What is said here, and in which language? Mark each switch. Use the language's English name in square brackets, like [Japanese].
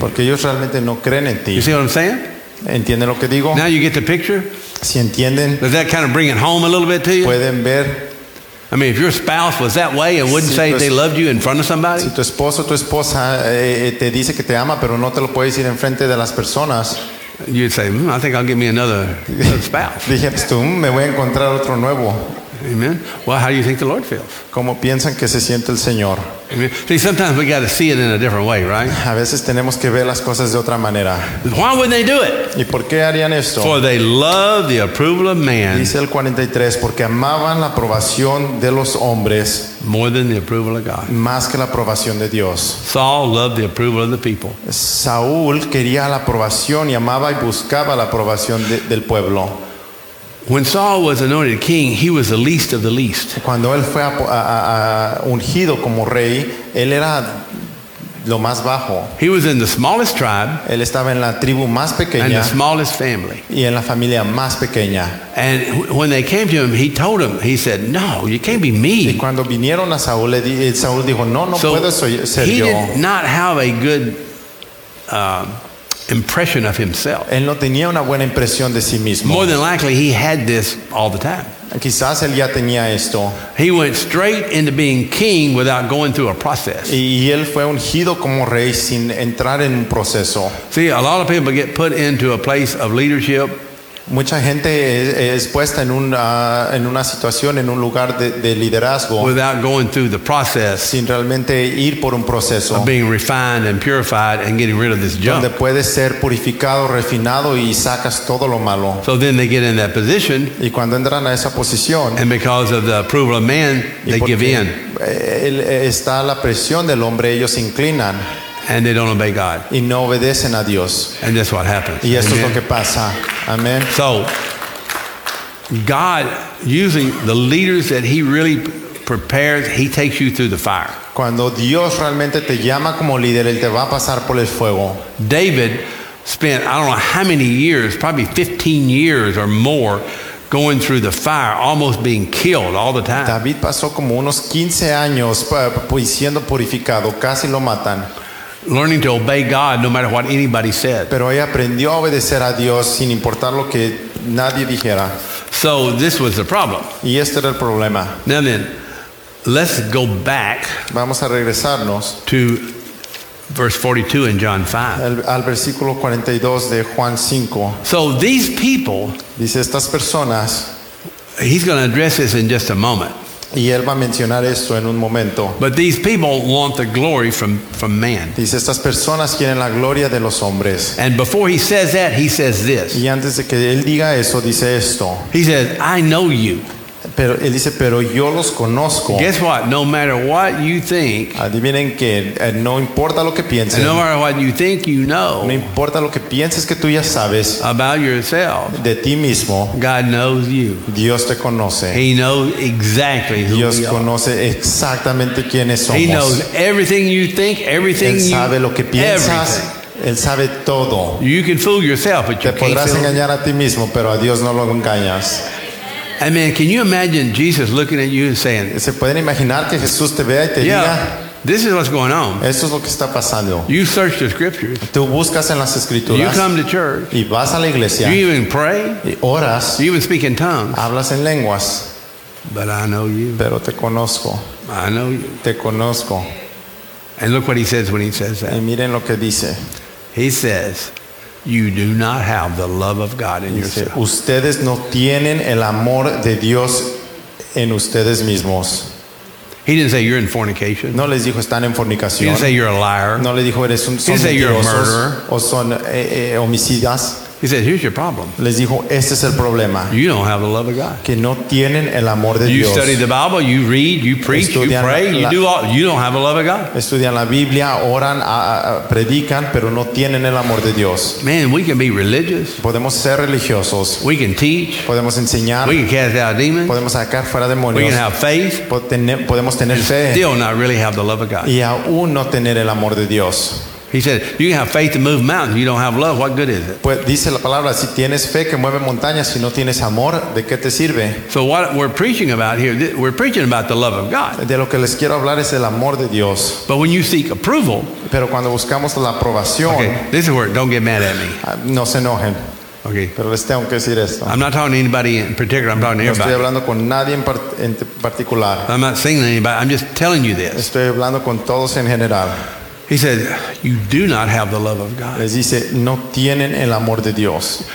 [Spanish] Porque ellos realmente no creen en ti. [English] You see what I'm saying? [Spanish] ¿Entienden lo que digo? [English] Now you get the picture. [Spanish] ¿Sí entienden? [English] Does that kind of bring it home a little bit to you? [Spanish] Pueden ver. [English] I mean, if your spouse was that way and wouldn't say they loved you in front of somebody. [Spanish] Si tu esposo o tu esposa te dice que te ama, pero no te lo puede decir en frente de las personas. [English] You'd say, I think I'll get me another spouse. [Spanish] Dije, tú, me voy a encontrar otro nuevo. Amen. [English] Well, how do you think the Lord feels? [Spanish] ¿Cómo piensan que se siente el Señor? [English] Amen. See, sometimes we got to see it in a different way, right? [Spanish] A veces tenemos que ver las cosas de otra manera. [English] Why would they do it? [Spanish] ¿Y por qué harían esto? [English] For they love the approval of man. [Spanish] Dice el 43, porque amaban la aprobación de los hombres. [English] More than the approval of God. [Spanish] Más que la aprobación de Dios. [English] Saul loved the approval of the people. [Spanish] Saúl quería la aprobación y amaba y buscaba la aprobación del pueblo. [English] When Saul was anointed king, he was the least of the least. [Spanish] Cuando él fue ungido como rey, él era lo más bajo. [English] He was in the smallest tribe. [Spanish] Él estaba en la tribu más pequeña. [English] And the smallest family. [Spanish] Y en la familia más pequeña. [English] And when they came to him, he told him, he said, "No, you can't be me." [Spanish] Y cuando vinieron a Saúl, Saúl dijo, "No [English] so [Spanish] puedo ser [English] he [Spanish] yo." [English] He did not have a good impression of himself. [Spanish] Él no tenía una buena impresión de sí mismo. [English] More than likely, he had this all the time. [Spanish] Quizás él ya tenía esto. [English] He went straight into being king without going through a process. [Spanish] Y él fue ungido como rey sin entrar en un proceso. [English] See, a lot of people get put into a place of leadership. [Spanish] Mucha gente es puesta en una situación, en un lugar de liderazgo. [English] Without going through the process. [Spanish] Sin realmente ir por un proceso. [English] Of being refined and purified and getting rid of this junk. [Spanish] Donde puedes ser purificado, refinado y sacas todo lo malo. [English] So then they get in that position. [Spanish] Y cuando entran a esa posición. [English] And because of the approval of man, they give in. [Spanish] Está la presión del hombre, ellos se inclinan. [English] And they don't obey God. [Spanish] Y no obedecen a Dios. [English] And that's what happens. [Spanish] Y esto es lo que pasa. Amen. [English] So, God, using the leaders that He really prepares, He takes you through the fire. [Spanish] Cuando Dios realmente te llama como líder, Él te va a pasar por el fuego. [English] David spent, I don't know how many years, probably 15 years or more, going through the fire, almost being killed all the time. [Spanish] David pasó como unos 15 años siendo purificado, casi lo matan. [English] Learning to obey God no matter what anybody said. [Spanish] Pero él aprendió a obedecer a Dios sin importar lo que nadie dijera. [English] So this was the problem. [Spanish] Y este era el problema. [English] Now then, let's go back. [Spanish] Vamos a regresarnos [English] to verse 42 in John 5. [Spanish] Al versículo 42 de Juan 5. [English] So these people, [Spanish] dice estas personas, [English] he's going to address this in just a moment. [Spanish] Y él va a mencionar esto en un momento. [English] But these people want the glory from man. [Spanish] Dice, estas personas quieren la gloria de los hombres. [English] And before he says that, he says this. [Spanish] Y antes de que él diga eso, dice esto. [English] He says, I know you. [Spanish] Pero él dice, pero yo los conozco. [English] Guess what? No matter what you think. [Spanish] Adivinen que no importa lo que pienses. [English] No matter what you think, you know. [Spanish] No importa lo que pienses que tú ya sabes. [English] About yourself. [Spanish] De ti mismo. [English] God knows you. [Spanish] Dios te conoce. [English] He knows exactly who [Spanish] Dios [English] we [Spanish] conoce [English] are. [Spanish] Exactamente quiénes somos. [English] He knows everything you think, everything [Spanish] él sabe [English] you, [Spanish] lo que piensas. [English] Everything. [Spanish] Él sabe todo. [English] You can fool yourself, but you [Spanish] te podrás [English] can't [Spanish] engañar a ti mismo, pero a Dios no lo engañas. [English] I mean, can you imagine Jesus looking at you and saying, [Spanish] ¿se pueden imaginar que Jesús te vea y te [English] yeah, [Spanish] diga, [English] this is what's going on. [Spanish] Esto es lo que está pasando. [English] You search the scriptures. [Spanish] Tú buscas en las escrituras. [English] You come to church. [Spanish] Y vas a la iglesia. [English] You even pray. [Spanish] Y oras. [English] You even speak in tongues. [Spanish] Hablas en lenguas. [English] But I know you. [Spanish] Pero te conozco. [English] I know you. [Spanish] Te conozco. [English] And look what he says when he says that. [Spanish] Y miren lo que dice. [English] He says, you do not have the love of God in yourself. [Spanish] Ustedes no tienen el amor de Dios en ustedes mismos. [English] He didn't say you're in fornication. [Spanish] No les dijo están en fornicación. [English] He didn't say you're a liar. [Spanish] No les dijo eres un [English] He said you're a murderer. [Spanish] O son homicidas. [English] He said, here's your problem. [Spanish] Les dijo, este es el problema. [English] You don't have the love of God. [Spanish] Que no tienen el amor de [English] you [Spanish] Dios. [English] Study the Bible, you read, you preach, [Spanish] estudian [English] you pray, [Spanish] la, [English] you do all, you don't have the love of God. [Spanish] Estudian la Biblia, oran, predican, pero no tienen el amor de Dios. [English] Man, we can be religious. [Spanish] Podemos ser religiosos. [English] We can teach. [Spanish] Podemos enseñar. [English] We can cast out demons. [Spanish] Podemos sacar fuera demonios. [English] We can have faith. [Spanish] Podemos tener fe. [English] Still not really have the love of God. [Spanish] Y aún no tener el amor de Dios. [English] He said, you can have faith to move mountains, you don't have love, what good is it? [Spanish] Pues dice la palabra, si tienes fe que mueve montañas, si no tienes amor, ¿de qué te sirve? [English] So what we're preaching about here, we're preaching about the love of God. [Spanish] De lo que les quiero hablar es el amor de Dios. [English] But when you seek approval, [Spanish] pero cuando buscamos la aprobación, [English] okay, this is where, don't get mad at me. [Spanish] No se enojen. [English] Okay. [Spanish] Pero les tengo que decir esto. [English] I'm not talking to anybody in particular, I'm talking to everybody. [Spanish] No estoy hablando con nadie en particular. [English] I'm not saying to anybody, I'm just telling you this. [Spanish] Estoy hablando con todos en general. [English] He said, "You do not have the love of God." [Spanish] Les dice, no tienen el amor de Dios.